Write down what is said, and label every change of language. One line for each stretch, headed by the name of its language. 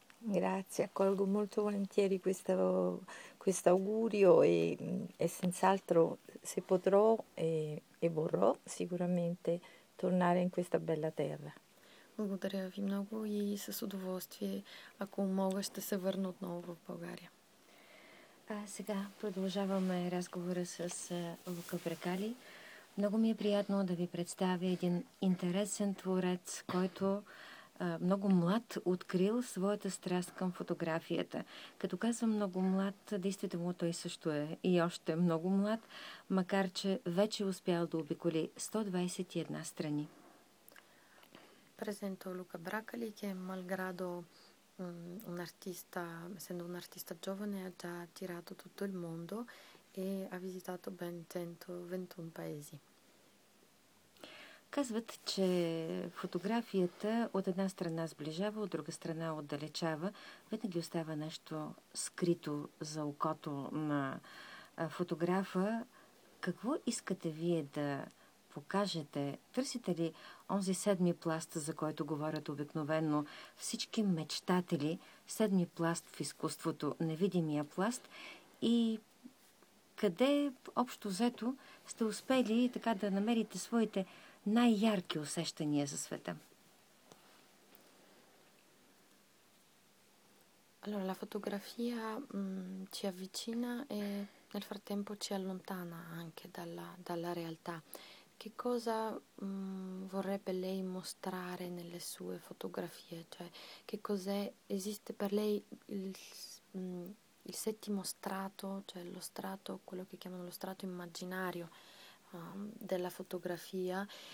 Italian: Grazie, accolgo molto volentieri questo augurio e senz'altro se potrò e vorrò sicuramente tornare in questa bella terra.
Bulgarian: Благодаря ви много и с удоволствие, ако мога, ще се върна отново в България. Сега продължаваме разговора с Лука Прекали. Много ми е приятно да ви представя един интересен творец, който много млад открил своята страст към фотографията. Като казвам много млад, действително той също е и още много млад, макар че вече успял да обиколи 121 страни.
Italian: Presento Luca Bracali che malgrado un artista, essendo un artista giovane, ha già girato tutto il mondo e ha visitato ben 121 paesi.
Bulgarian: Казват, че фотографията от една страна сближава, от друга страна отдалечава. Винаги остава нещо скрито за окото на фотографа. Какво искате вие да покажете? Търсите ли онзи седми пласт, за който говорят обикновено всички мечтатели? Седми пласт в изкуството, невидимия пласт. И къде общо взето сте успели така да намерите своите най-ярки усещания за света?
Italian: Allora, la fotografia ci avvicina e nel frattempo ci allontana anche dalla realtà. Che cosa vorrebbe lei mostrare nelle sue fotografie? Cioè, che cos'è? Esiste per lei il settimo strato, cioè lo strato, quello che chiamano lo strato immaginario della fotografia?